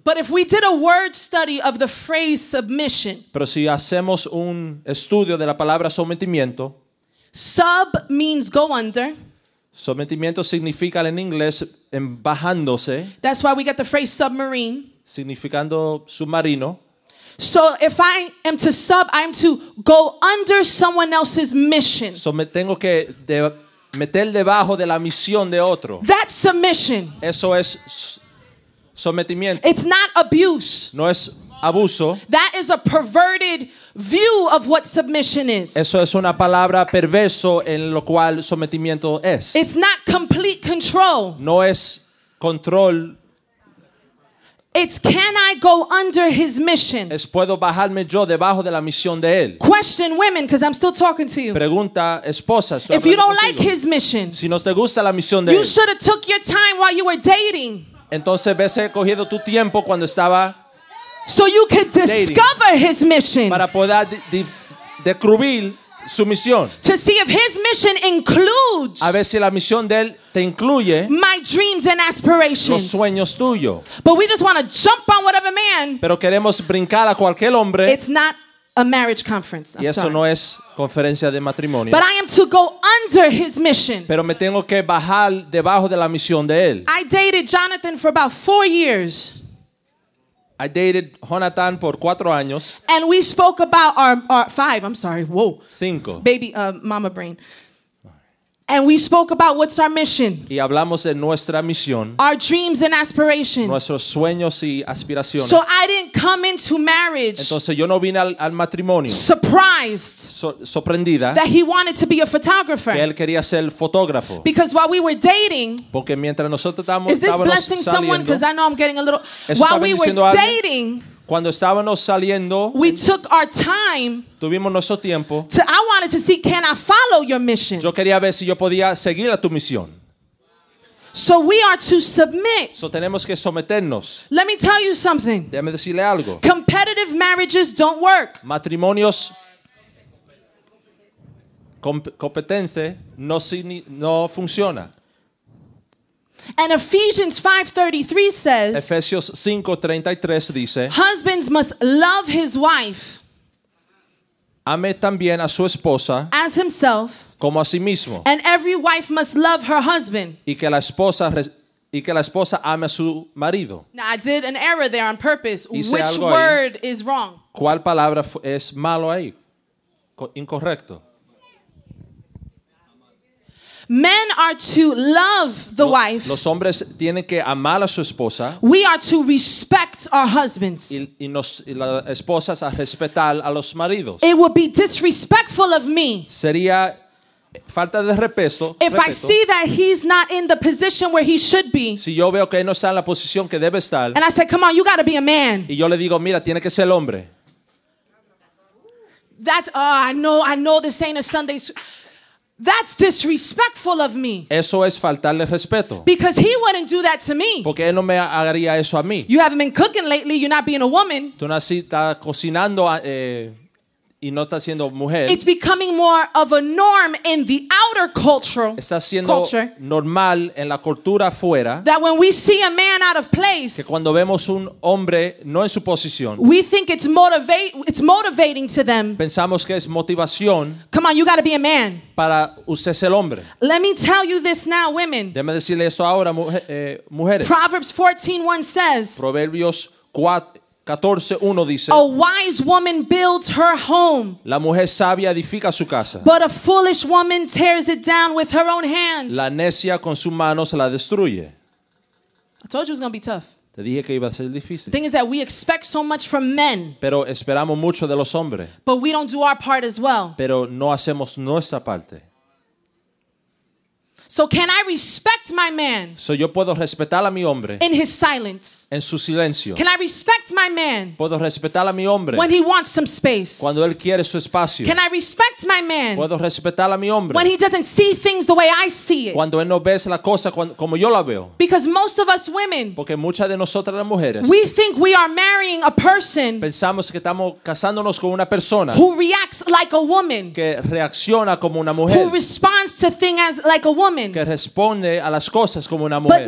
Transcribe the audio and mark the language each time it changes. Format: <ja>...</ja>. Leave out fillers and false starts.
<en>But if we did a word study of the phrase submission.</en> <es>Pero si hacemos un estudio de la palabra sometimiento.</es> <en>Sub means go under.</en> <es>Sometimiento significa en inglés bajándose.</es> <en>That's why we get the phrase submarine.</en> <es>Significando submarino.</es> <en>So if I am to sub, I am to go under someone else's mission.</en> <es>So me tengo que meter debajo de la misión de otro.</es> <en>That's submission.</en> <es>Eso es sometimiento.</es> <en>It's not abuse.</en> <es>No es abuso.</es> <en>That is a perverted view of what submission is.</en> <es>Eso es una palabra perverso en lo cual sometimiento es.</es> <en>It's not complete control.</en> <es>No es control.</es> <en>It's can I go under his mission?</en> <es>Es puedo bajarme yo debajo de la misión de él.</es> <en>Question women, because I'm still talking to you.</en> <es>Pregunta esposas.</es> <en>If you don't like his mission,</en> <es>si no te gusta la misión de</es> <en>él, you should have took your time while you were dating.</en> <es>Entonces, ves he cogido tu tiempo cuando estaba.</es> <en>So you could discover his mission.</en> <es>Para poder descubrir su misión.</es> <en>To see if his mission includes.</en> <es>A ver si la misión de él.</es> <en>My dreams and aspirations.</en> <es>Los sueños tuyos.</es> <en>But we just want to jump on whatever man.</en> <es>Pero queremos brincar a cualquier hombre.</es> <en>It's not a marriage conference. I'm</en> <es>y eso</es> <en>sorry.</en> <es>No es conferencia de matrimonio.</es> <en>But I am to go under his mission.</en> <es>Pero me tengo que bajar debajo de la misión de él.</es> <en>I dated Jonathan for about 4 years. I dated Jonathan</en> <es>por 4 años.</es> <en>And we spoke about our five. I'm sorry. Whoa.</en> <es>Cinco.</es> <en>Baby, mama brain. And we spoke about what's our mission.</en> <es>Y hablamos de nuestra misión.</es> <en>Our dreams and aspirations.</en> <es>Nuestros sueños y aspiraciones.</es> <en>So I didn't come into marriage.</en> <es>Entonces yo no vine al matrimonio.</es> <en>Surprised.</en> <es>Sorprendida.</es> <en>That he wanted to be a photographer.</en> <es>Que él quería ser fotógrafo.</es> <en>Because while we were dating.</en> <es>Porque mientras nosotros estábamos saliendo.</es> <en>Is this blessing</en> <es>saliendo,</es> <en>someone? Because I know I'm getting a little. While we were dating.</en> <es>Cuando estábamos saliendo,</es> <en>we took our time.</en> <es>Tuvimos nuestro tiempo.</es> <en>I wanted to see, can I follow your mission?</en> <es>Yo quería ver si yo podía seguir a tu misión.</es> <en>So we are to submit.</en> <es>So tenemos que someternos.</es> <en>Let me tell you something.</en> <es>Déjame decirle algo.</es> <en>Competitive marriages don't work.</en> <es>Matrimonios competentes no funciona.</es> <en>And Ephesians 5:33 says,</en> <es>Efesios 5:33 dice,</es> <en>husbands must love his wife.</en> <es>Ame también a su esposa.</es> <en>As himself.</en> <es>Como a sí mismo.</es> <en>And every wife must love her husband.</en> <es>Y que la esposa ame a su marido.</es> <en>Now I did an error there on purpose. Which word</en> <es>ahí,</es> <en>is wrong?</en> <es>¿Cuál palabra es malo ahí? Incorrecto.</es> <en>Men are to love the wife.</en> <es>Los hombres tienen que amar a su esposa.</es> <en>We are to respect our husbands.</en> <es>Y las esposas a respetar a los maridos.</es> <en>It would be disrespectful of me.</en> <es>Sería falta de respeto.</es> <en>If I see that he's not in the position where he should be,</en> <es>si yo veo que él no está en la posición que debe estar,</es> <en>and I say, come on, you got to be a man.</en> <es>Y yo le digo, mira, tiene que ser hombre.</es> <en>That's, oh, I know this ain't a Sunday. That's disrespectful of me.</en> <es>Eso es faltarle respeto.</es> <en>Because he wouldn't do that to me.</en> <es>Porque él no me haría eso a mí.</es> <en>You haven't been cooking lately. You're not being a woman.</en> <es>Tú no estás cocinando y no estás siendo mujer.</es> <en>It's becoming more of a norm in the outer culture.</en> <es>Está siendo normal en la cultura afuera.</es> <en>That when we see a man out of place,</en> <es>que cuando vemos un hombre no en su posición,</es> <en>we think it's motivating to them.</en> <es>Pensamos que es motivación.</es> <en>Come on, you got to be a man.</en> <es>Para usted ser hombre.</es> <en>Let me tell you this now, women.</en> <es>Déjame decirle eso ahora, mujeres.</es> <en>Proverbs 14:1 says.</en> <es>Proverbios 14:1 dice,</es> <en>a wise woman builds her home.</en> <es>La mujer sabia edifica su casa.</es> <en>But a foolish woman tears it down with her own hands.</en> <es>La necia con sus manos la destruye.</es> <en>I told you it was going to be tough.</en> <es>Te dije que iba a ser difícil.</es> <en>The thing is that we expect so much from men.</en> <es>Pero esperamos mucho de los hombres.</es> <en>But we don't do our part as well.</en> <es>Pero no hacemos nuestra parte.</es> <en>So can I respect my man?</en> <es>So yo puedo respetar a mi hombre.</es> <en>In his silence.</en> <es>En su silencio.</es> <en>Can I respect my man?</en> <es>Puedo respetar a mi hombre.</es> <en>When he wants some space.</en> <es>Cuando él quiere su espacio.</es> <en>Can I respect my man?</en> <es>Puedo respetar a mi hombre.</es> <en>When he doesn't see things the way I see it.</en> <es>Cuando él no ve la cosa como yo la veo.</es> <en>Because most of us women.</en> <es>Porque muchas de nosotras las mujeres.</es> <en>We think we are marrying a person.</en> <es>Pensamos que estamos casándonos con una persona.</es> <en>Who reacts like a woman.</en> <es>Que reacciona como una mujer.</es> <en>Who responds to things as like a woman.</en> <es>Que responde a las cosas como una mujer.</es>